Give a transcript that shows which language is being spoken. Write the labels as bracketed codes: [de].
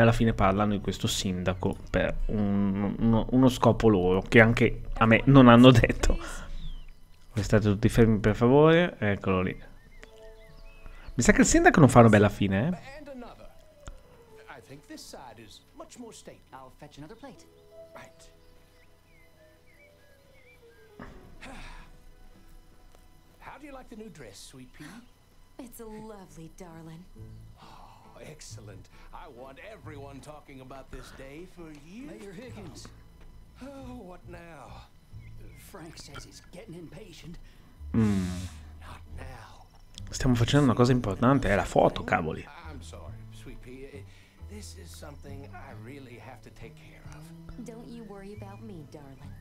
[it] Alla fine parlano di questo sindaco per uno scopo loro, che anche a me non hanno detto. Restate tutti fermi per favore, eccolo lì. Mi sa che il sindaco non fa una bella fine, eh? [en] This side is much more state. I'll fetch another plate. Right. How do you like the new dress, sweet pea? It's lovely, darling. Oh, excellent. I want everyone talking about this day for years. Mayor Higgins. Oh, what now? Frank says he's getting impatient. Not now. [it] Stiamo facendo una cosa importante, è la foto, cavoli. [en] I'm sorry, sweet pea. This is something I really have to take care of. Don't you worry about me, darling.